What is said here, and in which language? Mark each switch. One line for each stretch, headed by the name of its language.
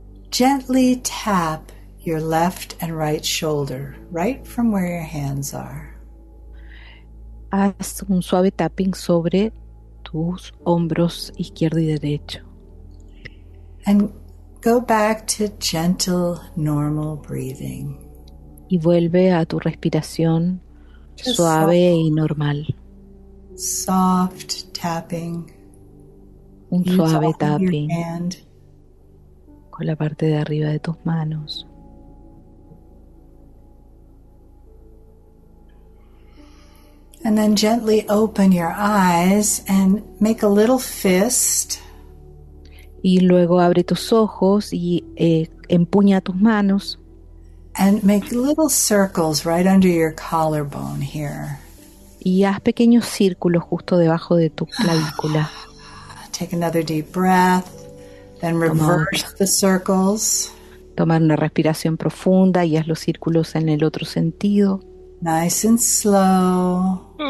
English: gently tap your left and right shoulder, right from where your hands are.
Spanish: Haz un suave tapping sobre tus hombros izquierdo y derecho.
English: And go back to gentle, normal breathing.
Spanish: Y vuelve a tu respiración suave y normal.
English: Soft tapping.
Spanish: Un suave tapping. Con la parte de arriba de tus manos.
English: And then gently open your eyes and make a little fist.
Spanish: Y luego abre tus ojos y empuña tus manos.
English: And make little circles right under your collarbone here.
Spanish: Y haz pequeños círculos justo debajo de tu clavícula.
English: Take another deep breath, then reverse the circles.
Spanish: Tomar una respiración profunda y haz los círculos en el otro sentido.
English: Nice and slow.